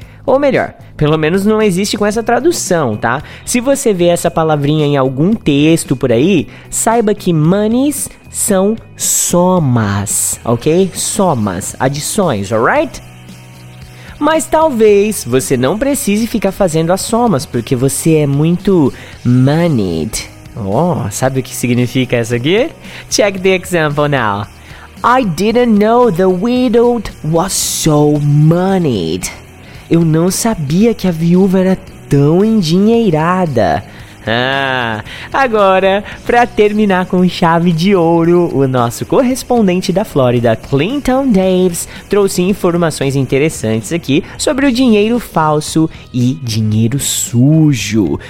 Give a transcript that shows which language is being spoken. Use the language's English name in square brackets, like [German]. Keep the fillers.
[Portuguese] Ou melhor, pelo menos não existe com essa tradução, tá? Se você vê essa palavrinha em algum texto por aí, saiba que manis são somas, ok? Somas, adições, alright? Mas talvez você não precise ficar fazendo as somas, porque você é muito moneyed. Oh, sabe o que significa isso aqui? [English] Check the example now. I didn't know the widowed was so moneyed. [Portuguese] Eu não sabia que a viúva era tão endinheirada. Ah, agora, para terminar com chave de ouro, o nosso correspondente da Flórida, Clinton Davis, trouxe informações interessantes aqui sobre o dinheiro falso e dinheiro sujo.